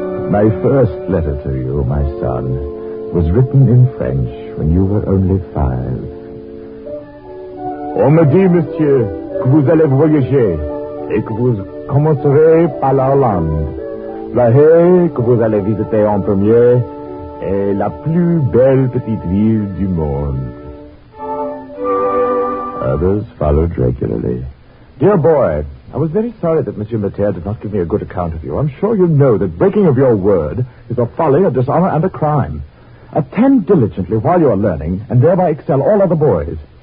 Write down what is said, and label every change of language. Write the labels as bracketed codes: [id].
[en] My first letter to you, my son, was written in French when you were only 5. [fr] On me dit, monsieur, que vous allez voyager et que vous commencerez par l'Irlande. La Haye, que vous allez visiter en premier, est la plus belle petite ville du monde. [en] Others followed regularly. Dear boy, I was very sorry that Monsieur Mathieu did not give me a good account of you. I'm sure you know that breaking of your word is a folly, a dishonor, and a crime. Attend diligently while you are learning, and thereby excel all other boys.